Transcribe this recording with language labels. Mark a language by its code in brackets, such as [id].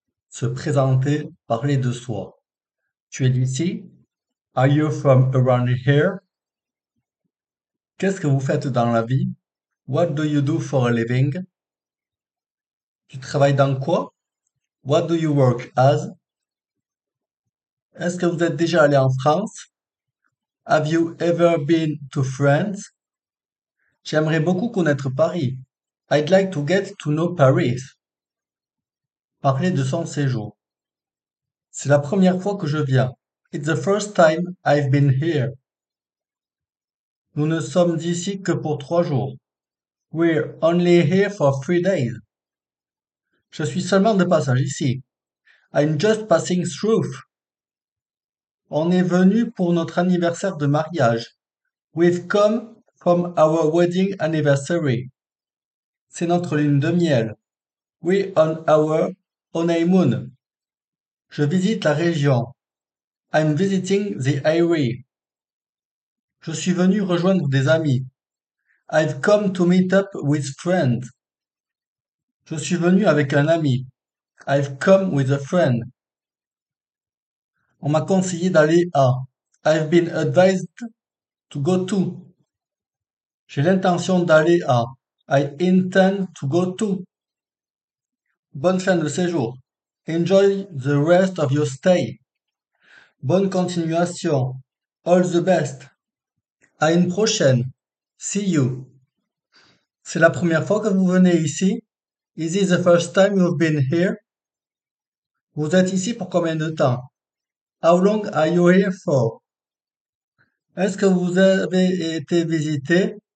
[fr] Se présenter, parler de soi. Tu es d'ici? [en] Are you from around here? [fr] Qu'est-ce que vous faites dans la vie? [en] What do you do for a living? [fr] Tu travailles dans quoi? [en] What do you work as? [fr] Est-ce que vous êtes déjà allé en France? [en] Have you ever been to France? [fr] J'aimerais beaucoup connaître Paris. [en] I'd like to get to know Paris. [fr] Parler de son séjour. C'est la première fois que je viens. [en] It's the first time I've been here. [fr] Nous ne sommes ici que pour 3 jours. [en] We're only here for 3 days. [fr] Je suis seulement de passage ici. [en] I'm just passing through. [fr] On est venu pour notre anniversaire de mariage. [en] We've come from our wedding anniversary. [fr] C'est notre lune de miel. [en] We're on our honeymoon. [fr] Je visite la région. [en] I'm visiting the area. [fr] Je suis venu rejoindre des amis. [en] I've come to meet up with friends. [fr] Je suis venu avec un ami. [en] I've come with a friend. [fr] On m'a conseillé d'aller à. [en] I've been advised to go to. [fr] J'ai l'intention d'aller à. [en] I intend to go to. [fr] Bonne fin de séjour. [en] Enjoy the rest of your stay. [fr] Bonne continuation. [en] All the best. [fr] À une prochaine. [en] See you. [fr] C'est la première fois que vous venez ici? [en] Is it the first time you've been here? [fr] Vous êtes ici pour combien de temps? [en] How long are you here for? [fr] Est-ce que vous avez été visité?